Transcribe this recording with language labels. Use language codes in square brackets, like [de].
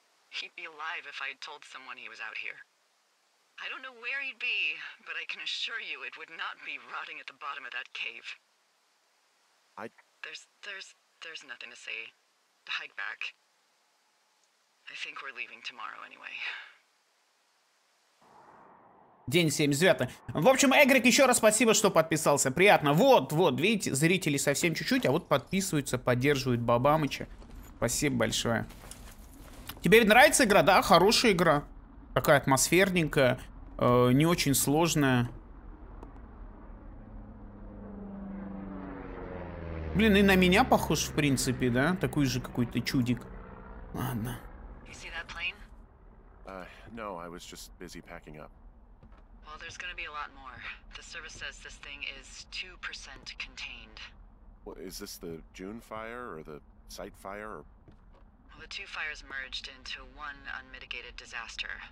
[en] He'd be alive if I had told someone he was out here. I don't know where he'd be, but I can assure you it would not be rotting at the bottom of that cave. There's nothing to say. Hike back. I think we're leaving tomorrow anyway. [ru] День 79. В общем, Эгрик, еще раз спасибо, что подписался. Приятно. Вот, видите, зрители совсем чуть-чуть, а вот подписываются, поддерживают Бабамыча. Спасибо большое. Тебе нравится игра, да? Хорошая игра. Такая атмосферненькая. Не очень сложная. Блин, и на меня похож, в принципе, да? Такой же какой-то чудик. Ладно. [en] You see that plane? No, I was just busy packing up. Well, there's gonna be a lot more. The service says this thing is 2% contained. Well, is this the June fire or the site fire? Or... Well, the two fires merged into one unmitigated disaster.